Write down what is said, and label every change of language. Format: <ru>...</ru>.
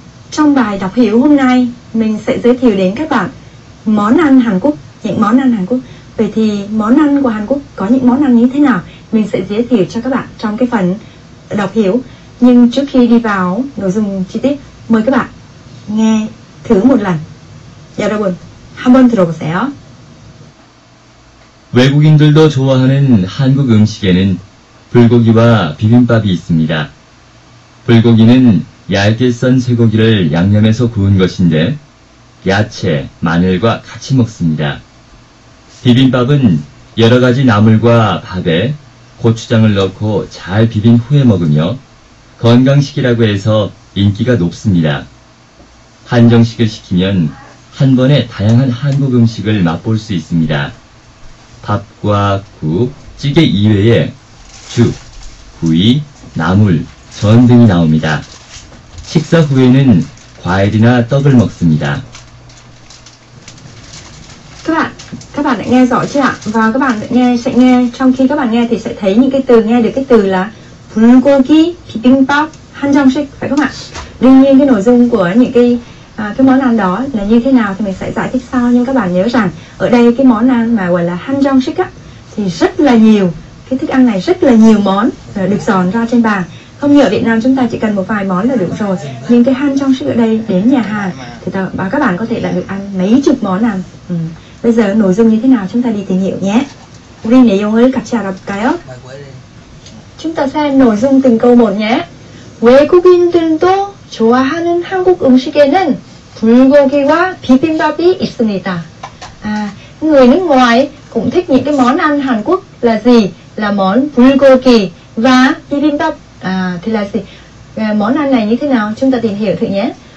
<vi>Trong bài đọc hiểu hôm nay, mình sẽ giới thiệu đến các bạn món ăn Hàn Quốc, những món ăn Hàn Quốc. Vậy thì món ăn của Hàn Quốc có những món ăn như thế nào? Mình sẽ giới thiệu cho các bạn trong cái phần đọc hiểu. Nhưng trước khi đi vào nội dung chi tiết, mời các bạn nghe thử một lần.</vi> <ko>여러분, 한번 들어보세요. 외국인들도 좋아하는 한국 음식에는 불고기와 비빔밥이 있습니다. 불고기는 얇게 썬 쇠고기를 양념해서 구운 것인데 야채, 마늘과 같이 먹습니다. 비빔밥은 여러 가지 나물과 밥에 고추장을 넣고 잘 비빈 후에 먹으며 건강식이라고 해서 인기가 높습니다. 한정식을 시키면 한 번에 다양한 한국 음식을 맛볼 수 있습니다. 밥과 국, 찌개 이외에 죽, 구이, 나물, 전등이 나옵니다. 식사 후에는 과일이나 떡을 먹습니다.</ko> <vi>Các bạn đã nghe rõ chưa ạ? Và các bạn nghe sẽ nghe trong khi các bạn nghe thì sẽ thấy những cái từ nghe được cái từ là 불고기, 비빔밥, 한정식 phải không ạ? Đương nhiên cái nội dung của những cái món ăn đó là như thế nào thì mình sẽ giải thích sau, nhưng các bạn nhớ rằng ở đây cái món ăn mà gọi là 한정식 á thì rất là nhiều, cái thức ăn này rất là nhiều món được dọn ra trên bàn. Không như ở Việt Nam chúng ta chỉ cần một vài món là được rồi, nhưng cái 한정식 ở đây đến nhà hàng thì các bạn có thể là được ăn mấy chục món ăn. Bây giờ nội dung như thế nào chúng ta đi tìm hiểu nhé.</vi> <ko>우리 내용을 같이 알아볼까요?</ko> <vi>Chúng ta xem nội dung từng câu một nhé.</vi> <ko>외국인들도 좋아하는 한국 음식에는 불고기와 비빔밥이 있습니다.</ko> <vi>Người nước ngoài cũng thích những cái món ăn Hàn Quốc là gì? Là món 불고기 và 비빔밥. Thì là gì? Món ăn này như thế nào? Chúng ta tìm hiểu thử nhé.</vi>